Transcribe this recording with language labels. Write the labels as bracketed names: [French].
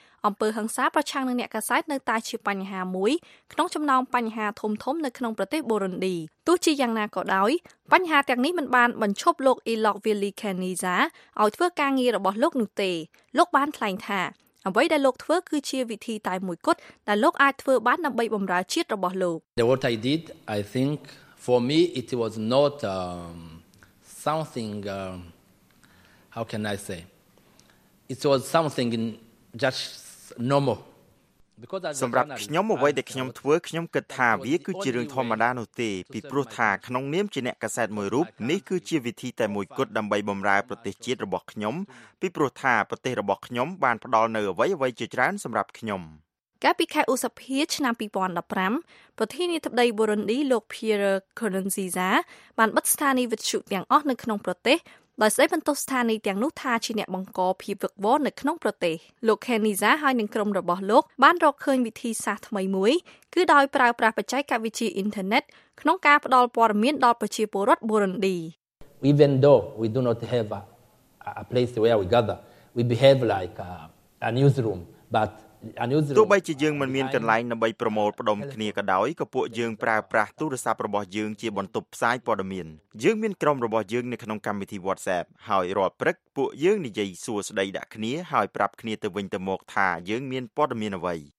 [Khmer] អំពើហិង្សាប្រឆាំងនឹងអ្នកកសែតនៅតែជាបញ្ហាមួយក្នុងចំណោមបញ្ហាធំធំនៅក្នុងប្រទេសប៊ូរុនឌីទោះជាយ៉ាងណាក៏ដោយបញ្ហាទាំងនេះមិនបានបញ្ឈប់លោកអ៊ីឡុកវីលីខេនីសាឲ្យធ្វើការងាររបស់លោកនោះទេលោកបានថ្លែងថាអ្វីដែលលោកធ្វើគឺជាវិធីតែមួយគត់ដែលលោកអាចធ្វើបានដើម្បីបំរើជាតិរបស់លោក [English] The what I did I think for me it was not something how can I say it was something in just normal [Khmer] សម្រាប់ខ្ញុំអ្វីដែលខ្ញុំធ្វើខ្ញុំគិតថាវាគឺជារឿងធម្មតានោះទេពីព្រោះថាក្នុងនាមជាអ្នកកសែតមួយរូបនេះគឺជាវិធីតែមួយគត់ដើម្បីបំរើប្រទេសជាតិរបស់ខ្ញុំពីព្រោះថាប្រទេសរបស់ខ្ញុំបានផ្ដល់នូវអ្វីអ្វីជាច្រើនសម្រាប់ខ្ញុំ កាលពីខែឧសភាឆ្នាំ2015ប្រធានាធិបតីប៊ូរុនឌីលោក Pierre Nkurunziza បានបិទស្ថានីយ៍វិទ្យុទាំងអស់នៅក្នុងប្រទេសដោយស្ដីបន្ទោសស្ថានីយ៍ទាំងនោះថាជាអ្នកបង្កភាពវឹកវរនៅក្នុងប្រទេសលោកខេនីសាហើយនឹងក្រុមរបស់លោកបានរកឃើញវិធីសាស្ត្រថ្មីមួយគឺដោយប្រើប្រាស់បច្ចេកវិទ្យាអ៊ីនធឺណិតក្នុងការផ្ដល់ព័ត៌មានដល់ប្រជាពលរដ្ឋប៊ូរុនឌី [English] Even though we do not have a place where we gather we behave like a newsroom but [Khmer] ទោះបីជាយើងមិនមានកន្លែងដើម្បីប្រមូលផ្ដុំគ្នាក៏ដោយក៏ពួកយើងប្រើប្រាស់ទូរស័ព្ទរបស់យើងជាបន្ទប់ផ្សាយព័ត៌មានយើងមានក្រុមរបស់យើងនៅក្នុងកម្មវិធី WhatsApp ហើយរាល់ព្រឹកពួកយើងនិយាយសួស្ដីដាក់គ្នាហើយប្រាប់គ្នាទៅវិញទៅមកថាយើងមានព័ត៌មានអ្វី